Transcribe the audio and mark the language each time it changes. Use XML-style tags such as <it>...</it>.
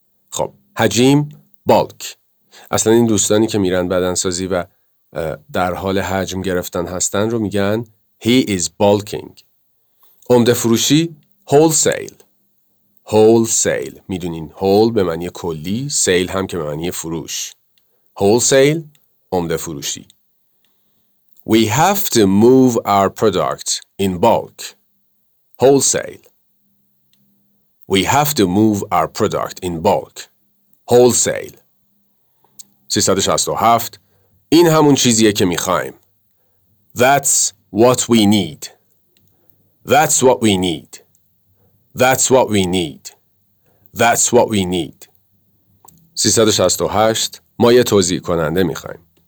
<fa>خب، حجیم، بالک. اصلا این دوستانی که میرن بدنسازی و در حال حجم گرفتن هستن رو میگن</fa> <en>He is bulking.</en> <fa>عمده فروشی، wholesale. Wholesale. میدونین whole به معنی کلی، sale هم که به معنی فروش. Wholesale، عمده فروشی.</fa> <en>We have to move our product in bulk, wholesale. We have to move our product in bulk, wholesale. 367.</en> <fa>این همون چیزیه که میخوایم.</fa> <en>That's what we need. That's what we need. That's what we need. That's what we need. 368.</en> <fa>ما یه توضیح کننده میخوایم.</fa>